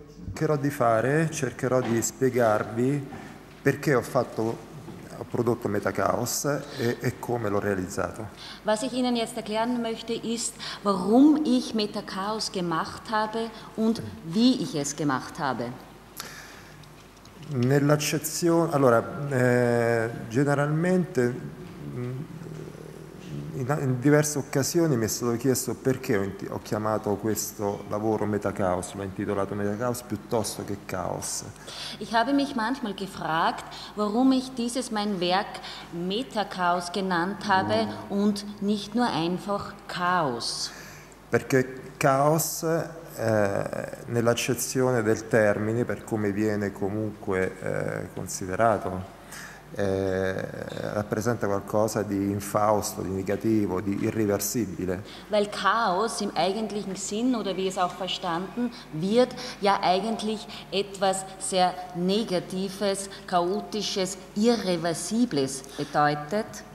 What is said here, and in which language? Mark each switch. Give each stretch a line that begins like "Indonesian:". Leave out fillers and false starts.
Italian: Cercherò di fare, cercherò di spiegarvi perché ho prodotto Metachaos e come l'ho realizzato.
German: Was ich Ihnen jetzt erklären möchte, ist, warum ich Metachaos gemacht habe und wie ich es gemacht habe.
Italian: Nell'accezione, allora, generalmente in diverse occasioni mi è stato chiesto perché ho chiamato questo lavoro Metachaos, l'ho intitolato Metachaos piuttosto che Chaos.
German: Ich habe mich manchmal gefragt, warum ich dieses mein Werk Metachaos genannt habe und nicht nur einfach Chaos.
Italian: Perché Chaos, nell'accezione del termine, per come viene comunque considerato, rappresenta qualcosa di infausto, di negativo, di irreversibile.
German: Weil Chaos im eigentlichen Sinn oder wie es auch verstanden wird, ja eigentlich etwas sehr Negatives, Chaotisches, Irreversibles bedeutet.